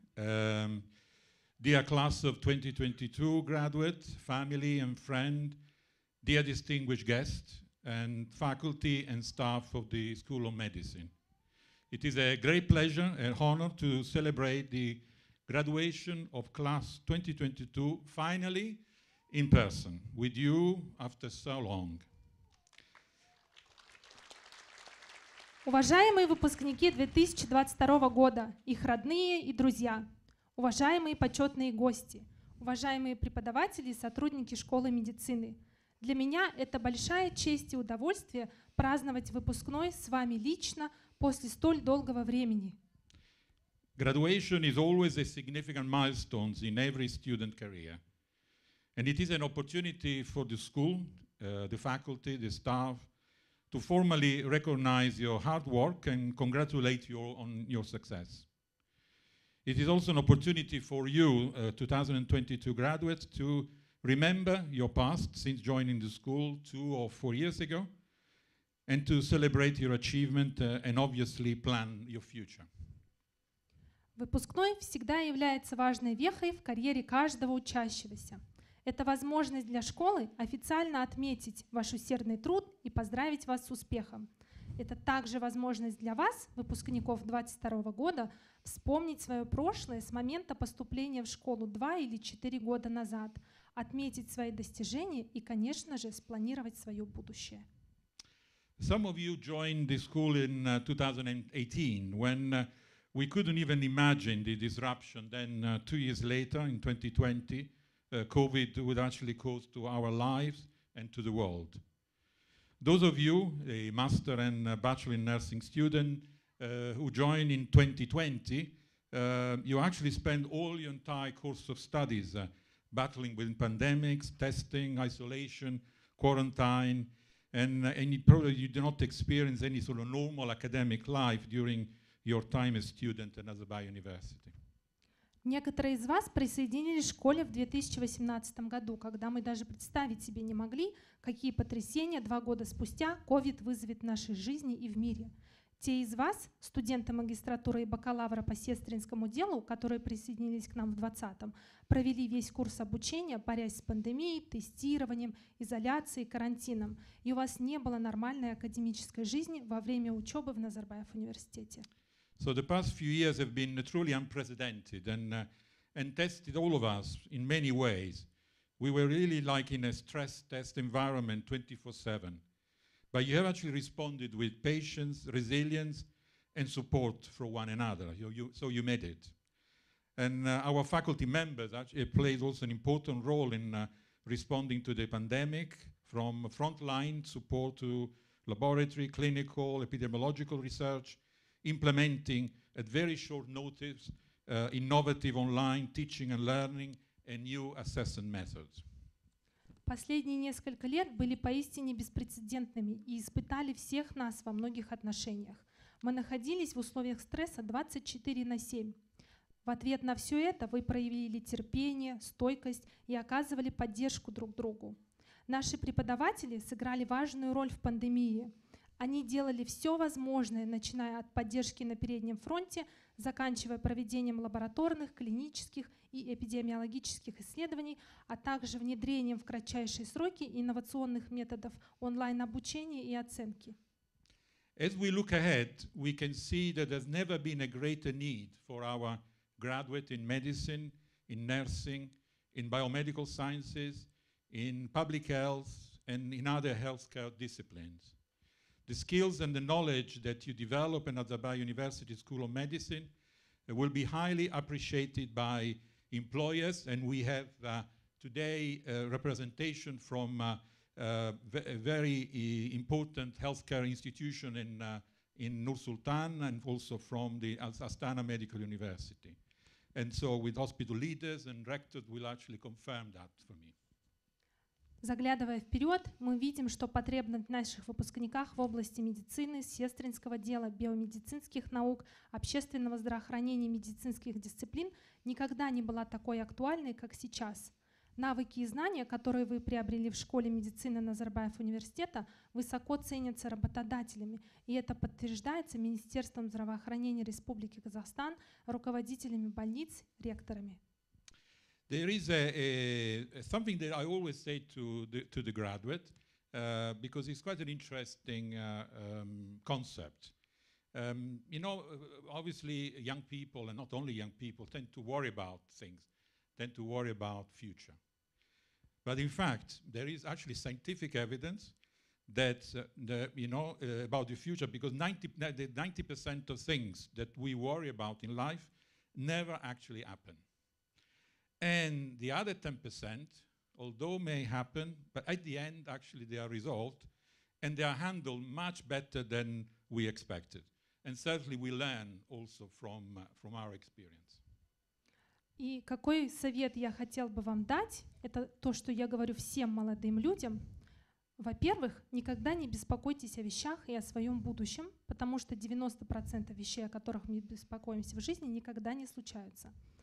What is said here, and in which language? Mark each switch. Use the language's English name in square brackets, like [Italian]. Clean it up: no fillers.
[English] Dear class of 2022 graduate, family and friend, dear distinguished guest, and faculty and staff of the School of Medicine. It is a great pleasure and honor to celebrate the graduation of class 2022 finally in person with you after so long. [Russian] Уважаемые выпускники 2022 года, их родные и друзья, уважаемые почетные гости, уважаемые преподаватели и сотрудники школы медицины, для меня это большая честь и удовольствие праздновать выпускной с вами лично после столь долгого времени. [English] Graduation is always a significant milestone in every student career. And it is an opportunity for the school, the faculty, the staff to formally recognize your hard work and congratulate you on your success. It is also an opportunity for you, 2022 graduates, to remember your past since joining the school 2 or 4 years ago, and to celebrate your achievement and obviously plan your future. [Russian] Выпускной всегда является важной вехой в карьере каждого учащегося. Это возможность для школы официально отметить ваш усердный труд и поздравить вас с успехом. Это также возможность для вас, выпускников 22 года, вспомнить свое прошлое с момента поступления в школу 2 или 4 года назад, отметить свои достижения и, конечно же, спланировать свое будущее. [English] Some of you joined the school in 2018, when we couldn't even imagine the disruption then 2 years later, in 2020, COVID would actually cause to our lives and to the world. Those of you, a master and a bachelor in nursing student, who joined in 2020, you actually spent all your entire course of studies battling with pandemics, testing, isolation, quarantine, and probably you did not experience any sort of normal academic life during your time as student and as a biouniversity. [Russian] Некоторые из вас присоединились к школе в 2018 году, когда мы даже представить себе не могли, какие потрясения 2 года спустя COVID вызовет в нашей жизни и в мире. Те из вас, студенты магистратуры и бакалавра по сестринскому делу, которые присоединились к нам в 2020, провели весь курс обучения, борясь с пандемией, тестированием, изоляцией, карантином. И у вас не было нормальной академической жизни во время учебы в Назарбаев университете. [English] So the past few years have been truly unprecedented and tested all of us in many ways. We were really like in a stress test environment 24/7. But you have actually responded with patience, resilience, and support for one another. So you made it. And our faculty members actually played also an important role in responding to the pandemic, from frontline support to laboratory, clinical, epidemiological research, implementing at very short notice innovative online teaching and learning and new assessment methods. [Russian] Последние несколько лет были поистине беспрецедентными и испытали всех нас во многих отношениях. Мы находились в условиях стресса 24/7. В ответ на все это вы проявили терпение, стойкость и оказывали поддержку друг другу. Наши преподаватели сыграли важную роль в пандемии. Они делали все возможное, начиная от поддержки на переднем фронте, заканчивая проведением лабораторных, клинических и эпидемиологических исследований, а также внедрением в кратчайшие сроки инновационных методов онлайн-обучения и оценки. [English] As we look ahead, we can see that there's never been a greater need for our graduates in medicine, in nursing, in biomedical sciences, in public health, and in other healthcare disciplines. The skills and the knowledge that you develop at Nazarbayev University School of Medicine will be highly appreciated by employers, and we have today a representation from a very important healthcare institution in Nur-Sultan and also from the Astana Medical University. And so with hospital leaders and rectors will actually confirm that for me. [Russian] Заглядывая вперед, мы видим, что потребность в наших выпускниках в области медицины, сестринского дела, биомедицинских наук, общественного здравоохранения и медицинских дисциплин никогда не была такой актуальной, как сейчас. Навыки и знания, которые вы приобрели в школе медицины Назарбаев университета, высоко ценятся работодателями, и это подтверждается Министерством здравоохранения Республики Казахстан, руководителями больниц, ректорами. [English] There is something that I always say to the graduate, because it's quite an interesting concept. You know, obviously young people, and not only young people, tend to worry about things, tend to worry about future. But in fact, there is actually scientific evidence that, about the future, because 90% of things that we worry about in life never actually happen. And the other 10%, although may happen, but at the end, actually, they are resolved and they are handled much better than we expected. And certainly, we learn also from our experience. [Russian] И какой совет я хотел бы вам дать, это то, что я говорю всем молодым людям. Во-первых, никогда не беспокойтесь о вещах и о своем будущем, потому что 90% вещей, о которых мы беспокоимся в жизни, никогда не случаются.